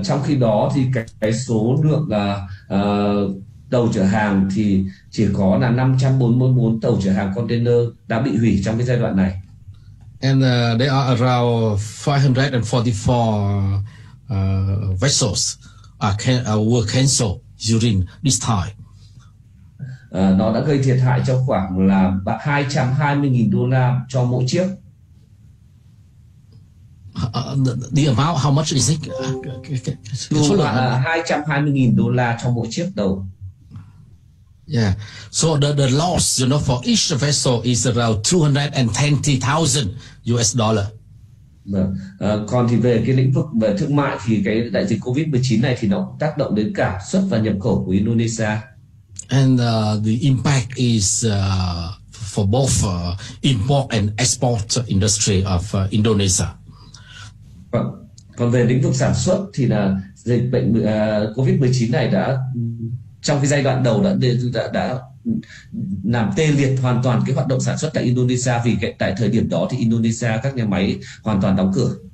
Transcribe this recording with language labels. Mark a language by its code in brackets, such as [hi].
[vi] Trong khi đó thì cái số lượng là tàu chở hàng thì chỉ có là 544 tàu chở hàng container đã bị hủy trong cái giai đoạn này. [en] And there are around 544 vessels were canceled during this time. [vi] Nó đã gây thiệt hại cho khoảng là 220.000 đô la cho mỗi chiếc. [en] The amount, how much is it? [vi] 220.000 đô la cho mỗi chiếc tàu. [en] Yeah. So the loss, you know, for each vessel is around $220,000. [vi] Còn thì về cái lĩnh vực về thương mại thì cái đại dịch Covid-19 này thì nó tác động đến cả xuất và nhập khẩu của Indonesia. [en] And the impact is for both import and export industry of Indonesia. [vi] Còn về lĩnh vực sản xuất thì là dịch bệnh Covid-19 này đã trong cái giai đoạn đầu đã làm tê liệt hoàn toàn cái hoạt động sản xuất tại Indonesia, vì tại thời điểm đó thì Indonesia các nhà máy hoàn toàn đóng cửa.